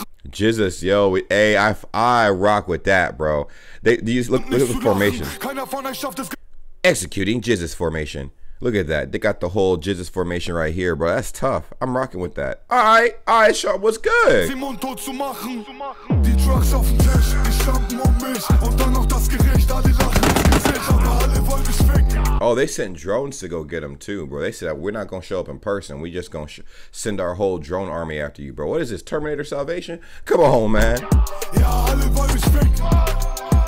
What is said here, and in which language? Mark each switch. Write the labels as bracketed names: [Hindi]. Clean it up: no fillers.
[English] Jesus, yo, I rock with that, bro. Look at the formation. Executing Jesus formation. Look at that. They got the whole Jesus formation right here, bro. That's tough. I'm rocking with that. All right, Sean, what's good? [German] Simon tot zu machen. Die Drugs auf dem Tisch. Die Schlampen um mich. Und dann noch das Gericht. Alle lachen ins Gesicht. Aber alle wollen mich ficken. [English] Oh, they sent drones to go get him too, bro. They said we're not gonna show up in person. We just gonna send our whole drone army after you, bro. What is this, Terminator Salvation? Come on, man. [German] Yeah, alle wollen mich ficken.